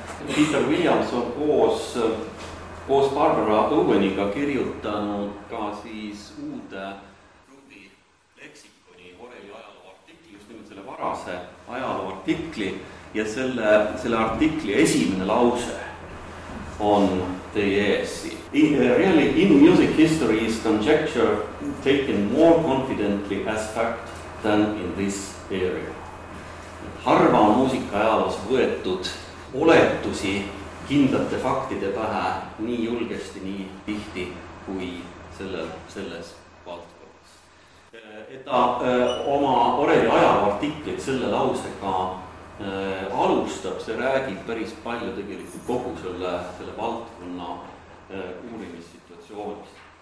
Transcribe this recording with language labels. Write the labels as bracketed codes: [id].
[et] Peter Williams on koos Barbara Oweniga kirjutanud ka siis uude Ruby leksikoni oreli ajaloo artikli, just nimelt selle varase ajaloo artikli. Ja selle artikli esimene lause on teie ees. [en] In music history is conjecture taken more confidently as fact than in this area. [et] Harva on muusika ajalos võetud oletusi kindlate faktide pähe nii julgesti, nii tihti kui selles valdkonnas. Ta oma oreli ajaloo artiklit selle lausega alustab, see räägib päris palju tegelikult kogu selle valdkonna uurimissituatsioonist.